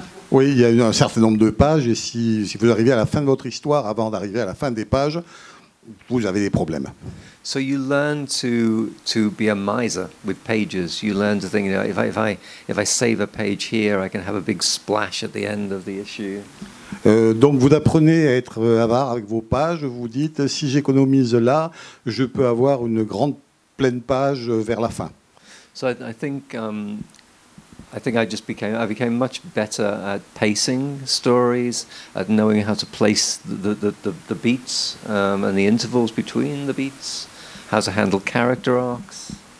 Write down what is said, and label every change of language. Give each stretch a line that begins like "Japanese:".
French: Oui, il y a un certain nombre de pages et si vous arrivez à la fin de votre histoire avant d'arriver à la fin des pages, vous avez des problèmes.
English: So you learn to be a miser with pages. You learn to think, you know, if I save a page here, I can have a big splash at the end of the issue.
French: Donc vous apprenez à être avare avec vos pages. Vous dites, si j'économise là, je peux avoir une grande pleine page vers la fin.
English: So I think I just became much better at pacing stories, at knowing how to place the beats and the intervals between the beats, how to handle character arcs.